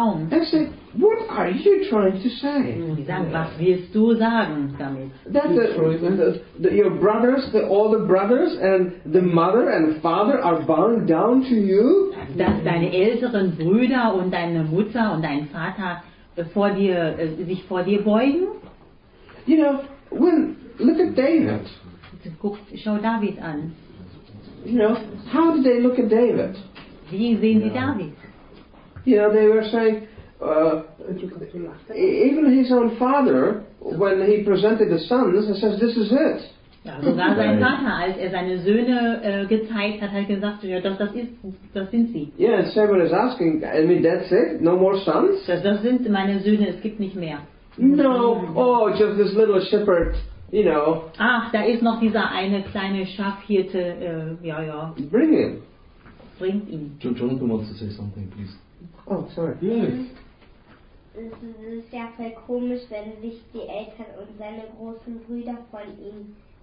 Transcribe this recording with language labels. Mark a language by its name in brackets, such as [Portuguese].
[English] They say, what are you trying to say? That your brothers, the older brothers and the mother and father are bowing down to you? [German] Dass deine älteren Brüder und deine Mutter und dein Vater sich vor dir beugen? [English] You know, look at David. [German] Schau David an. [English] You know, how do they look at David? [German] Wie sehen sie David? [English] You know, they were saying, even his own father, when he presented the sons, he says, this is it. [German] Ja, sogar sein Vater, als er seine Söhne gezeigt hat, hat gesagt, ja, das sind sie. [English] Yeah, Samuel is asking, I mean, that's it? No more sons? [German] Das sind meine Söhne, es gibt nicht mehr. [English] No, oh, just this little shepherd, you know. [German] Ach, da ist noch dieser eine kleine Schafhirte, ja, ja. [English] Bring him. [German] Bring ihn. [English] Jonathan wants to say something, please. Oh, sorry. Yes. [German] Es ist ja voll komisch, wenn sich die Eltern und seine großen Brüder von ihm